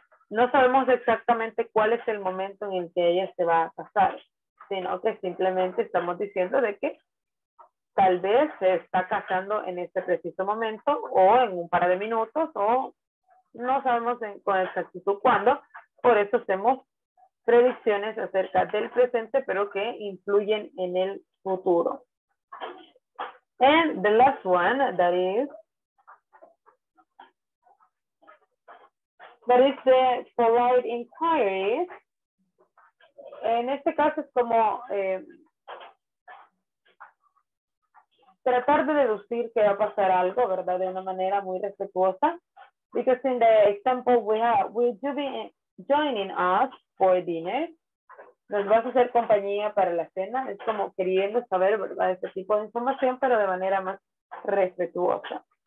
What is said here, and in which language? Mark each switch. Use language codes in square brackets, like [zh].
[es] No sabemos exactamente cuál es el momento en el que ella se va a casar, sino que simplemente estamos diciendo de que tal vez se está casando en este preciso momento o en un par de minutos o no sabemos con exactitud cuándo. Por eso hacemos predicciones acerca del presente, pero que influyen en el futuro. [en] And the last one, that is the polite inquiry. [es] En este caso es como tratar de deducir que va a pasar algo, ¿verdad? De una manera muy respetuosa. [en] Because in the example we have, will you be joining us for dinner? [es] ¿Nos vas a hacer compañía para la cena? Es como queriendo saber, ¿verdad?, este tipo de información, pero de manera más respetuosa.